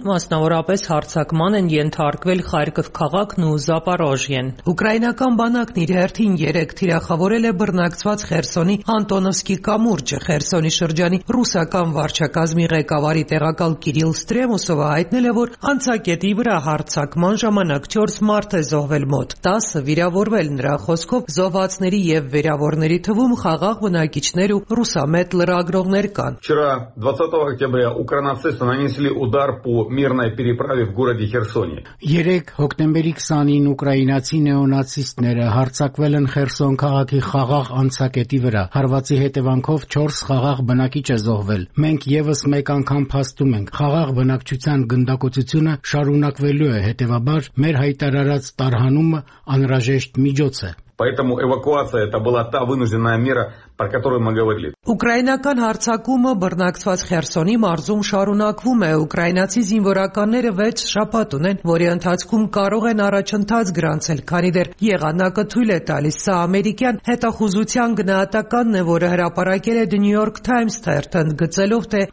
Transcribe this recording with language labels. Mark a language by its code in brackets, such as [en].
[hy] մասնավորապես հարցակման են ենթարկվել Խարկով քաղաքն ու Զապարոժիեն։ Ուկրաինական բանակն իր հերթին 3 թիրախավորել է բռնակցված Խերսոնի Անտոնովսկի կամուրջը, Խերսոնի շրջանի ռուսական վարչակազմի ղեկավարի տեղակալ Կիրիլ Ստրեմուսովը հայտնել է, որ անցակետի վրա հարցակման ժամանակ 4 մարդ է զոհվել, մոտ 10 վիրավորվել, նրա խոսքով զոհվածների և վիրավորների թվում խաղաղ բնակիչներ ու ռուսամետ լրագրողներ կան։ [ru] Вчера 20 октября украинцы нанесли удар по мирной переправе в городе Херсоне. [hy] 3 հոկտեմբերի 29 ուկրաինացի նեոնացիստները հարձակվել են Խերսոն քաղաքի խաղաղ անցակետի վրա։ Հարվածի հետևանքով 4 խաղաղ բնակիչ է զոհվել։ Մենք եւս մեկ անգամ փաստում ենք, խաղաղ բնակչության գնդակոծությունը շարունակվելու է, հետեւաբար մեր հայտարարած տարհանումը անհրաժեշտ միջոց է։ [ru] Поэтому эвакуация это была та вынужденная мера, про которую мы говорили. [hy] Ուկրաինական հարցակումը բռնակցված Խերսոնի մարզում շարունակվում է։ Ուկրաինացի զինվորականները 6 շաբաթ ունեն, որի ընթացքում կարող են առաջընթաց գրանցել, քանի դեռ եղանակը թույլ է տալիս։ Սա ամերիկյան հետախուզության գնահատականն է, որը հրապարակել է The New York Times թերթն, գծելով, թե